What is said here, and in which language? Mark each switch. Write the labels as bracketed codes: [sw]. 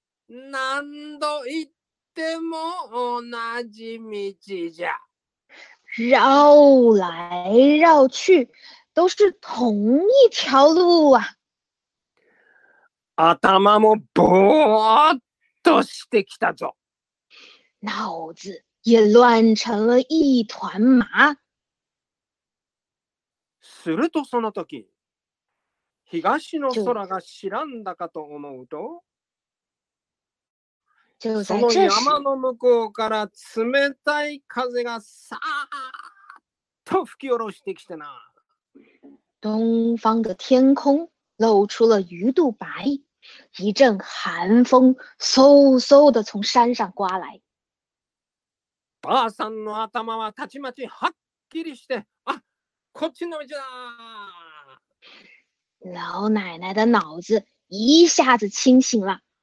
[ja] 何度言っても同じ道じゃ。 [zh] 绕来绕去，都是同一条路啊。 [ja] 頭もぼーっとしてきたぞ。 [zh] 脑子也乱成了一团麻。 [ja] するとその時、東の空が知らんだかと思うと、その山の向こうから冷たい風がさーっと吹き下ろしてきてな。 [zh] 東方的天空露出了鱼肚白，一阵寒风嗖嗖的从山上刮来。 [ja] ばあさんの頭はたちまちはっきりして、あ、こっちの道だ。 [zh] 老奶奶的脑子一下子清醒了。